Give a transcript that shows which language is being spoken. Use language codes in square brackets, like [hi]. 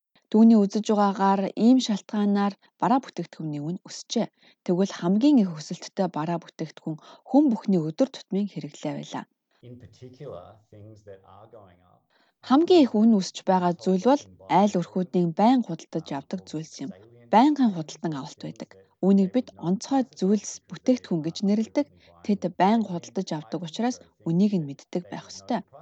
[mn] Түүний үзэж байгаагаар ийм шалтгаанаар бараа бүтээгдэхүүний үн өсчээ. Тэгвэл хамгийн их өсөлттэй бараа бүтээгдэхүүн хүн бүхний өдөр тутмын хэрэглээ байлаа. [en] In particular, things that are going up. [mn] Хамгийн их үн өсч байгаа зүйл бол айл өрхүүдийн байн худалдаж авдаг зүйлс юм. Байнгын худалдан авалт байдаг. Үүнийг бид онцгой зүйлс бүтээгдэхүүн гэж нэрлэдэг. Тэд байн худалдаж авдаг учраас үнийг нь мэддэг байх ёстой.